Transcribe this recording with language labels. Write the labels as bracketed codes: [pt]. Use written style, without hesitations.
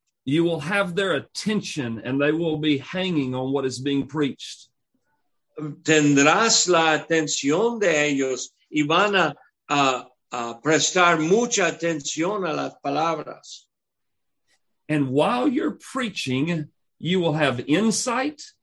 [en] You will have their attention and they will be hanging on what is being preached. [es] Tendrás la atención de ellos y van a prestar mucha atención a las palabras. [en] And while you're preaching, you will have insight.